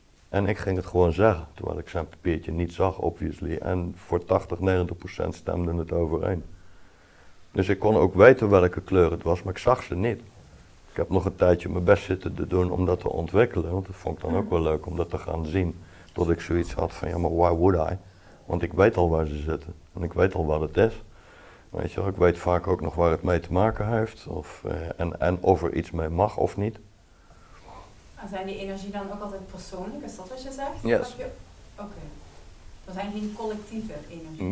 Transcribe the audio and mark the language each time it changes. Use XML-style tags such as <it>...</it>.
<nl>En ik ging het gewoon zeggen, terwijl ik zijn papiertje niet zag, obviously. En voor 80-90% stemde het overeen. Dus ik kon ook weten welke kleur het was, maar ik zag ze niet. Ik heb nog een tijdje mijn best zitten te doen om dat te ontwikkelen. Want dat vond ik dan ook wel leuk om dat te gaan zien. Tot ik zoiets had van, ja, maar</nl> <en>why would I?</en> <nl>Want ik weet al waar ze zitten. En ik weet al wat het is. Weet je, ik weet vaak ook nog waar het mee te maken heeft. En of er iets mee mag of niet. Zijn die energie dan ook altijd persoonlijk? Is dat wat je zegt?</nl> <en>Yes.</en> <nl>Er zijn geen collectieve energie.</nl>